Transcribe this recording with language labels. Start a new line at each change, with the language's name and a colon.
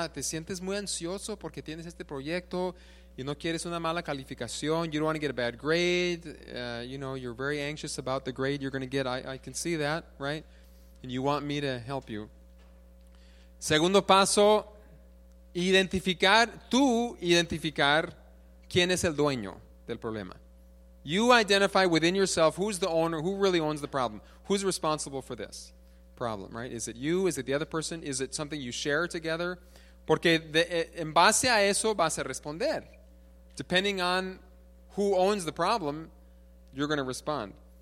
Spanish: Te sientes muy ansioso porque tienes este proyecto y no quieres una mala calificación.
English: You don't want to get a bad grade. You know, you're very anxious about the grade you're going to get. I can see that, right? And you want me to help you.
Spanish: Segundo paso, identificar quién es el dueño del problema.
English: You identify within yourself who's the owner, who really owns the problem, who's responsible for this problem, right? Is it you? Is it the other person? Is it something you share together?
Spanish: Porque en base a eso vas a responder.
English: Depending on who owns the problem, you're going to respond.